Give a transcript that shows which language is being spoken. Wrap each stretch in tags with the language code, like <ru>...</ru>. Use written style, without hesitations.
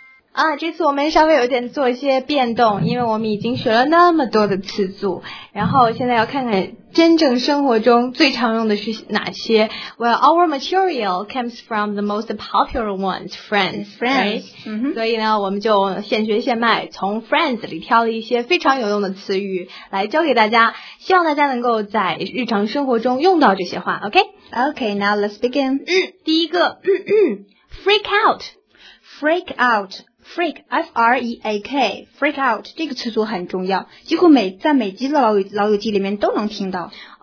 <zh>啊，这次我们稍微有点做一些变动，因为我们已经学了那么多的词组，然后现在要看看真正生活中最常用的是哪些。</zh> <en>Well, our material comes from the most popular ones, friends.、 Mm-hmm.</en> <zh>所以呢，我们就现学现卖，从 friends 里挑了一些非常有用的词语来教给大家，希望大家能够在日常生活中用到这些话。</zh> <en>OK? Okay, now let's begin.、</en> <zh>第一个freak out.</zh> <en>Freak out. Freak, F-R-E-A-K, freak out,</en> <zh>这个词组很重要，几乎在每集的老友记里面都能听到。</zh>